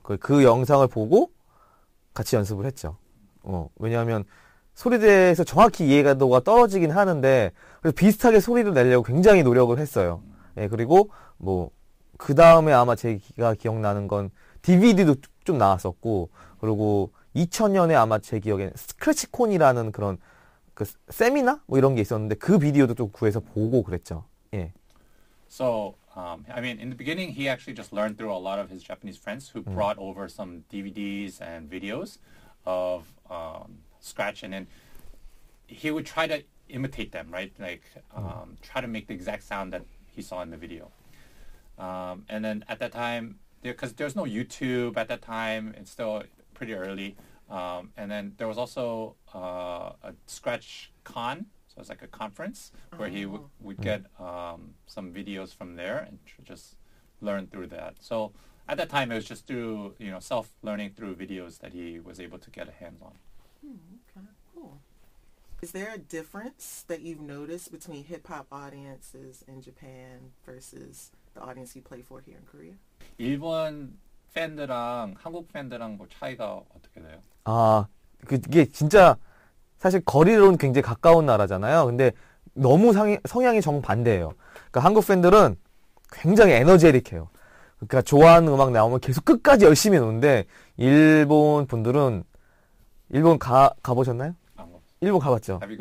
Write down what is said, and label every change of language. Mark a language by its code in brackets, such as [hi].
[ko] 그 영상을 보고 같이 연습을 했죠. 왜냐하면 소리에 대해서 정확히 이해가도가 떨어지긴 하는데 그래서 비슷하게 소리를 내려고 굉장히 노력을 했어요. 예, 그리고 뭐 그 다음에 아마 제가 기억나는 건 DVD도 좀 나왔었고 그리고 2000년에 아마 제 기억에 스크래치콘이라는 그런 그 세미나 뭐 이런 게 있었는데 그 비디오도 좀 구해서 보고 그랬죠. 예. [en] So, I mean, in the beginning, he actually just learned through a lot of his Japanese friends who brought over some DVDs and videos of Scratch, and then he would try to imitate them, right? Like, try to make the exact sound that he saw in the video. And then at that time, because there's no YouTube at that time, it's still pretty early. And then there was also a Scratch Con, so it's like a conference where he would get some videos from there and just learn through that. So at that time, it was just through, you know, self-learning through videos that he was able to get a hands on. Is there a difference that you've noticed between hip-hop audiences in Japan versus the audience you play for here in Korea? [ko] 일본 팬들이랑 한국 팬들이랑 뭐 차이가 어떻게 돼요? 아, 그게 진짜 사실 거리로는 굉장히 가까운 나라잖아요. 근데 너무 성향이 정반대예요. 그러니까 한국 팬들은 굉장히 에너제틱해요. 그러니까 좋아하는 음악 나오면 계속 끝까지 열심히 노는데 일본 분들은 일본 가보셨나요? 일본 가봤죠.